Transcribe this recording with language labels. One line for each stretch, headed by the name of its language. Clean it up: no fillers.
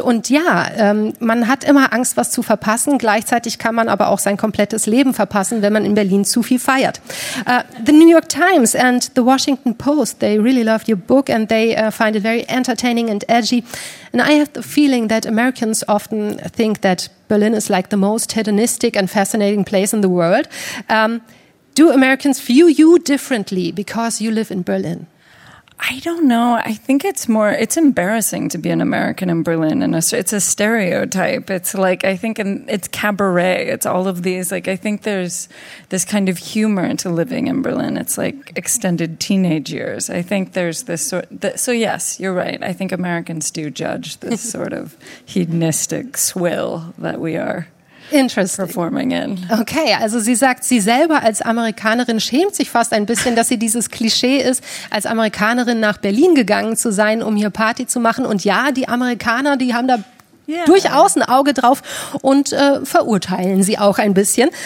German: Und ja, man hat immer Angst, was zu verpassen. Gleichzeitig kann man aber auch sein komplettes Leben verpassen, wenn man in Berlin zu viel feiert.
English: The New York Times and the Washington Post, they really loved your book and they find it very entertaining and edgy. And I have the feeling that Americans often think that Berlin is like the most hedonistic and fascinating place in the world. Do Americans view you differently because you live in Berlin? I don't know. I think it's more, it's embarrassing to be an American in Berlin. And it's a stereotype. It's like, I think it's cabaret. It's all of these. Like, I think there's this kind of humor to living in Berlin. It's like extended teenage years. I think there's this sort of, so yes, you're right. I think Americans do judge this sort of hedonistic swill that we are. Interesting. Performing in.
German: Okay, also sie sagt, sie selber als Amerikanerin schämt sich fast ein bisschen, dass sie dieses Klischee ist, als Amerikanerin nach Berlin gegangen zu sein, um hier Party zu machen. Und ja, die Amerikaner, die haben da durchaus ein Auge drauf und verurteilen sie auch ein bisschen.